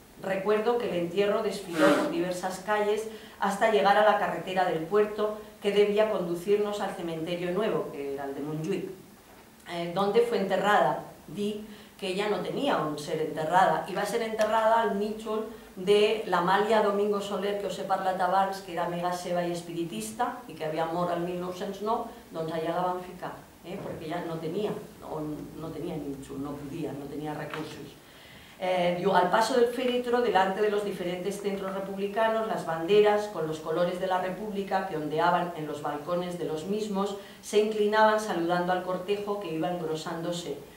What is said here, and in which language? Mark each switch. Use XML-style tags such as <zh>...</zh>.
<es>Recuerdo que el entierro desfiló por diversas calles hasta llegar a la carretera del puerto que debía conducirnos al cementerio nuevo, que era el de Montjuïc. ¿Dónde fue enterrada? Di que ella no tenía un ser enterrada. Iba a ser enterrada al nicho</es> <ca>de l'Amàlia Domingo Soler, que us he parlat abans, que era amiga seva i espiritista i que havia mort el 1909, doncs allà la van ficar, perquè ella no tenia.</ca> <es>No tenía nicho, no podía, no tenía recursos. Digo, al paso del féretro, delante de los diferentes centros republicanos, las banderas con los colores de la República que ondeaban en los balcones de los mismos se inclinaban saludando al cortejo que iba engrosándose.</es>